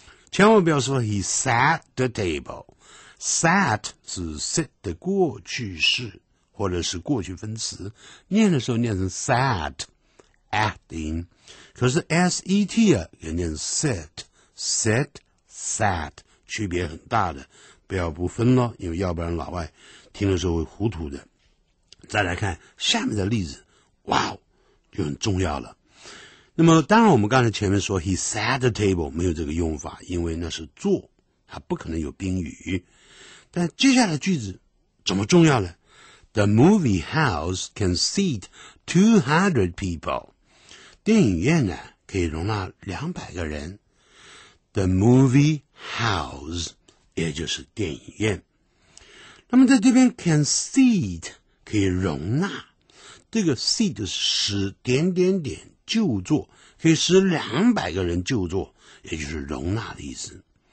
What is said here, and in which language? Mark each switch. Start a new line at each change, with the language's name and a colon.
Chinese: 千万不要说
English: he sat the table，
Chinese: sat 是 sit 的过去式或者是过去分词，念的时候念成 sat， acting， 可是 set 啊也念 sit， sit， sat， 区别很大的，不要不分了，因为要不然老外听的时候会糊涂的。再来看下面的例子，哇，就很重要了。那么当然我们刚才前面说
English: he sat the table
Chinese: 没有这个用法，因为那是坐，他不可能有宾语。但接下来句子怎么重要呢？
English: The movie house can seat 200 people，
Chinese: 电影院呢可以容纳200个人。
English: The movie house
Chinese: 也就是电影院。那么在这边 can seat 可以容纳，这个 seat 是点点点就坐，可以使200个人就坐，也就是容纳的意思。